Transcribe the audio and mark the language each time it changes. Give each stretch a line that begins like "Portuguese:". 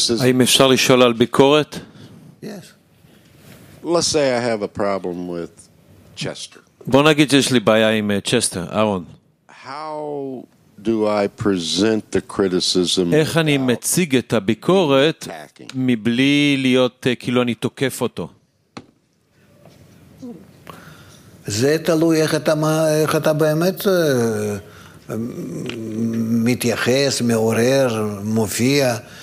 Hebrew: האם אפשר לשאול על ביקורת?
English: Yes. Let's say I have a problem with Chester.
Hebrew: בוא נגיד שיש לי בעיה עם Chester, אהרון.
English: How do I present the criticism?
Hebrew: איך אני מציג את הביקורת מבלי להיות כאילו אני תוקף אותו? זה תלוי איך אתה באמת מתייחס, מעורר, מופיע.